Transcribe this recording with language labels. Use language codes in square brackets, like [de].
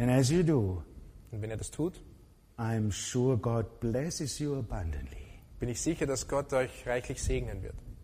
[en] And as you do, [de] und wenn ihr das tut, [en] I'm sure God blesses you abundantly. [de] Bin ich sicher, dass Gott euch reichlich segnen wird.